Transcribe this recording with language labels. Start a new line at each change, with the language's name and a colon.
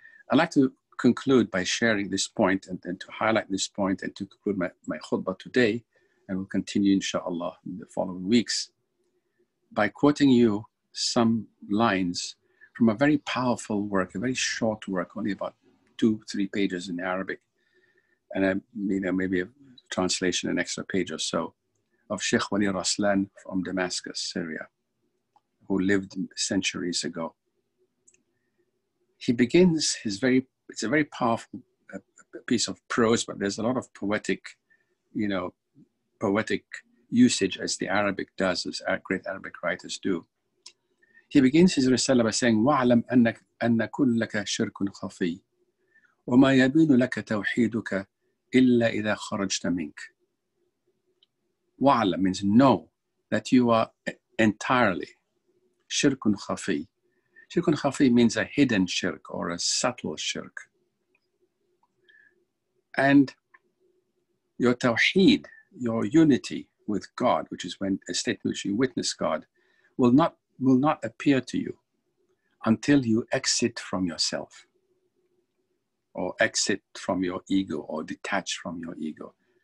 English: I'd like to conclude by sharing this point and to highlight this point and to conclude my khutbah today, and we'll continue inshallah in the following weeks, by quoting you some lines from a very powerful work, a very short work, only about 2-3 pages in Arabic, and maybe a translation, an extra page or so, of Sheikh Wali Raslan from Damascus, Syria, who lived centuries ago. he begins his very, it's a very powerful piece of prose, but there's a lot of poetic, you know, poetic usage, as the Arabic does, as great Arabic writers do. He begins his risala by saying,
Arabic: وَعْلَمْ أَنَّ كُلَّكَ شِرْكٌ خَفِيٌّ وَمَا يَبِينُ لَكَ تَوْحِيدُكَ إِلَّا إِذَا خَرَجْتَ مِنْكَ.
English: وَعْلَمْ means know that you are entirely shirkun khafi. Shirkun khafi means a hidden shirk or a subtle shirk. And your tawheed, your unity with God, which is when a state in which you witness God, will not appear to you until you exit from yourself or exit from your ego or detach from your ego.